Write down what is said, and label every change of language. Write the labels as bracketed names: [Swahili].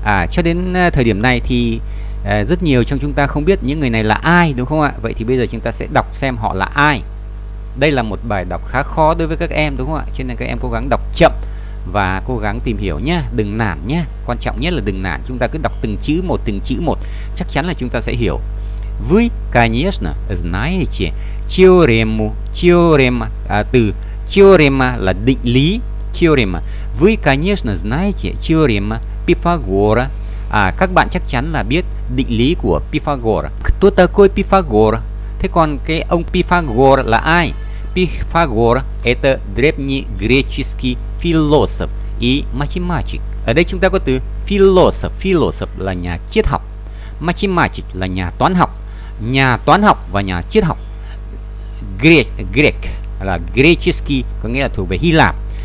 [Vietnamese] Cho đến thời điểm này thì rất nhiều trong chúng ta không biết những người này là ai, đúng không ạ? Vậy thì bây giờ chúng ta sẽ đọc xem họ là ai. Đây là một bài đọc khá khó đối với các em, đúng không ạ? Cho nên các em cố gắng đọc chậm và cố gắng tìm hiểu nhé, đừng nản nhé. Quan trọng nhất là đừng nản, chúng ta cứ đọc từng chữ một, chắc chắn là chúng ta sẽ hiểu. [Russian] Вы, конечно, знаете теорему. [Vietnamese] Từ теорема là định lý. [Russian] Теорема. Вы, конечно, знаете теорема Пифагора. [Vietnamese] Các bạn chắc chắn là biết định lý của Pythagore. [Russian] Кто такой Pythagore? [Vietnamese] Thế còn cái ông Pythagore là ai? [Russian] Pythagore это древнегреческий философ и математик. [Vietnamese] Ở đây chúng ta có từ философ. Философ là nhà triết học. Математик là nhà toán học. Nhà toán học và nhà triết học. Greek là греческий, có nghĩa là thuộc về Hy Lạp.